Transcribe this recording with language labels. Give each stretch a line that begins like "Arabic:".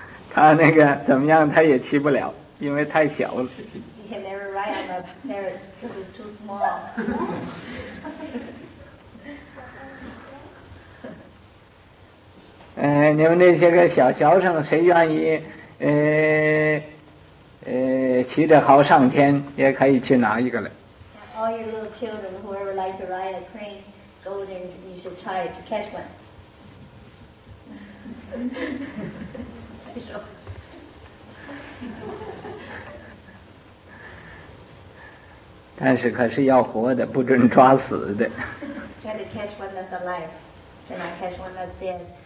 Chinese: 他那个怎么样他也骑不了，因为太小了。
English: He can never ride on a parrot because it's too small.
Chinese: 你们那些个小学生谁愿意骑着猴上天，也可以去拿一个来。
English: All your little children, whoever like to ride a crane, go there, you should try to catch one.
Chinese: 但是可是要活的，不准抓死的。
English: Try to catch one that's alive, cannot catch one that's dead.